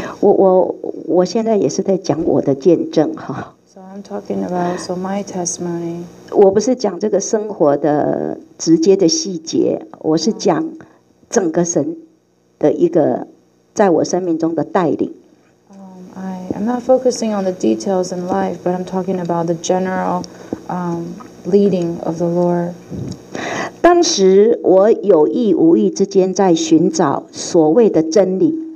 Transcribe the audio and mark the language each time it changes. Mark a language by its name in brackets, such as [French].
[Chinese] 我现在也是在讲我的见证哈。 [English] I'm talking about so my testimony. [Chinese] 我不是讲这个生活的直接的细节，我是讲整个神的一个在我生命中的带领。 [English] I'm not focusing on the details in life, but I'm talking about the general leading of the Lord. [Chinese] 当时我有意无意之间在寻找所谓的真理。